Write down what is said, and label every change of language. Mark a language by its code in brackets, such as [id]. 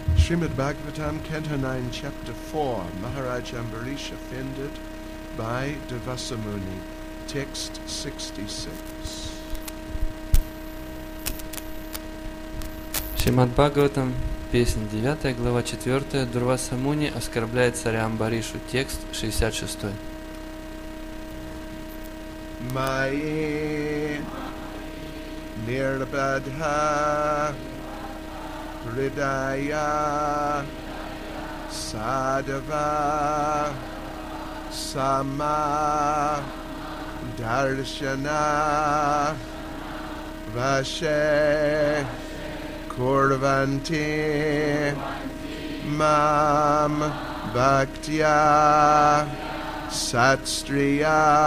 [en] Srimad Bhagavatam, Canto 9, Chapter 4, Maharaj Ambarish Offended by Devasamuni, Text 66. [ru] Srimad Bhagavatam, Песня 9, глава 4, Дурваса Муни оскорбляет царя Амбаришу, текст 66. [sa] Майи нирбадха ридая садва сама даршана ваше Курванти мам бхактия сатстрия